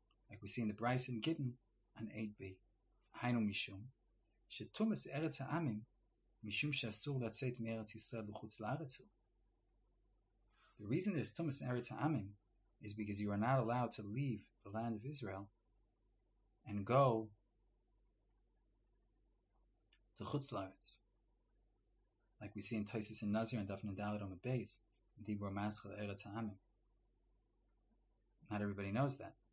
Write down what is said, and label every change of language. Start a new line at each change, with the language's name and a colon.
English: Like we see in the Bryce and Gittin on 8b.
Hebrew: היינו משום, שתומס ארץ העמים, משום שאסור לצאת מארץ ישראל וחוץ לארץ הוא.
English: The reason there's תומס ארץ העמים is because you are not allowed to leave the land of Israel and go to chutz laretz, like we see in Tosis and Nazir and Daf Nadalet on the base, Dibur Maschil Eretz Ha'amim. Not everybody knows that.